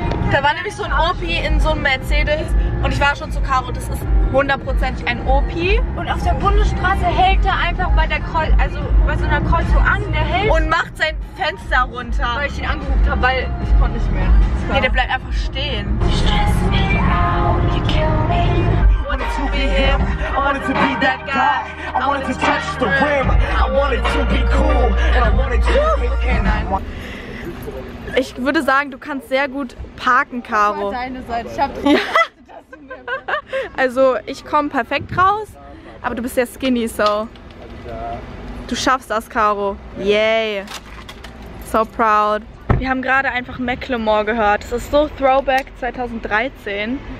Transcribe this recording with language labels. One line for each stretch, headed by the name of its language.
German: Da war nämlich so ein Opi in so einem Mercedes und ich war schon zu Caro, das ist hundertprozentig ein Opi. Und auf der Bundesstraße hält er einfach bei der bei so einer Kreuzung an, der hält. Und macht sein Fenster runter. Weil ich ihn angeguckt habe, weil ich konnte nicht mehr. So. Nee, der bleibt einfach stehen.
English: Stress me out, you kill me. I wanted to be him, I wanted to be that guy. I wanted to touch the rim, I wanted to wanted to be cool and I wanted to
German: Ich würde sagen, du kannst sehr gut parken, Caro. Ich deine Seite. Ich hab drauf. Ja. Also, ich komme perfekt raus, aber du bist sehr skinny, so. Du schaffst das, Caro.
English: Yay. So proud.
German: Wir haben gerade einfach Macklemore gehört. Das ist so Throwback 2013.